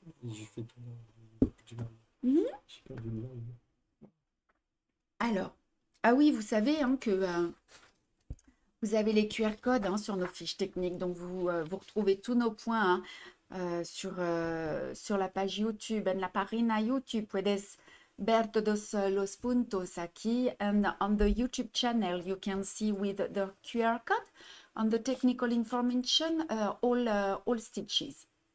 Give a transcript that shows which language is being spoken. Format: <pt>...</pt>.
<fr>J'ai fait tout le monde. J'ai perdu le nom. Alors, ah oui, vous savez hein, que vous avez les QR codes hein, sur nos fiches techniques. Donc, vous retrouvez tous nos points hein, sur la page YouTube.</fr> <es>En la página YouTube, puedes ver todos los puntos aquí.</es> <en>And on the YouTube channel, you can see with the QR code on the technical information all stitches.</en>